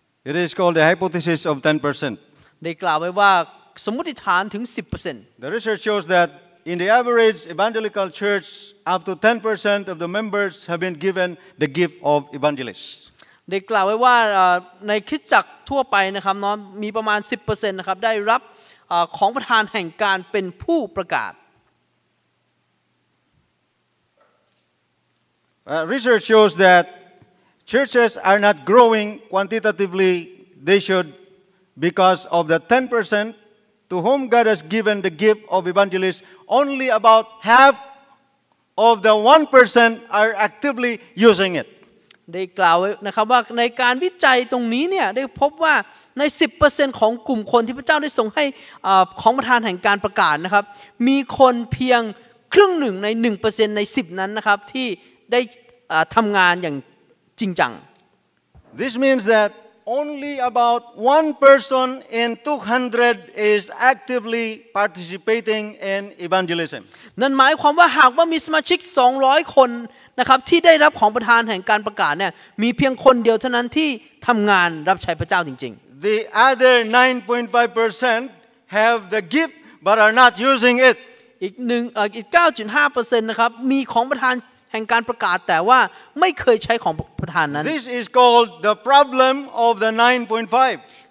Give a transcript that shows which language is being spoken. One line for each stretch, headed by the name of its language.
English: It is called the hypothesis of 10%
Thai: ได้กล่าวไว้ว่าสมมติฐานถึง 10%
English: The research shows thatIn the average evangelical church, up to 10% of the members have been given the gift of evangelists.
Thai: ได้กล่าวไว้ว่าในคริสตจักรทั่วไปนะครับน้องมีประมาณ 10% นะครับได้รับของประธานแห่งการเป็นผู้ประกาศ
English: Research shows that churches are not growing quantitatively they should because of the 10%To whom God has given the gift of evangelists, only about half of the 1% are actively using it.
Thai: ได้กล่าวนะครับว่าในการวิจัยตรงนี้เนี่ยได้พบว่าใน 10% ของกลุ่มคนที่พระเจ้าได้ส่งให้ของประทานแห่งการประกาศนะครับมีคนเพียงครึ่งหนึ่งใน 1% ใน 10 นั้นนะครับที่ได้ทำงานอย่างจริงจัง
English: This means thatOnly about one person in 200 is actively participating in evangelism.
Thai: นั่นหมายความว่าหากว่ามีสมาชิก200คนนะครับที่ได้รับของประทานแห่งการประกาศเนี่ยมีเพียงคนเดียวเท่านั้นที่ทำงานรับใช้พระเจ้าจริง
English: ๆ The other 9.5% have the gift but are not using it.
Thai: อีก 9.5% นะครับมีของประทานแห่งการประกาศแต่ว่าไม่เคยใช้ของประธานนั้น
English: This is called the problem of the 9.5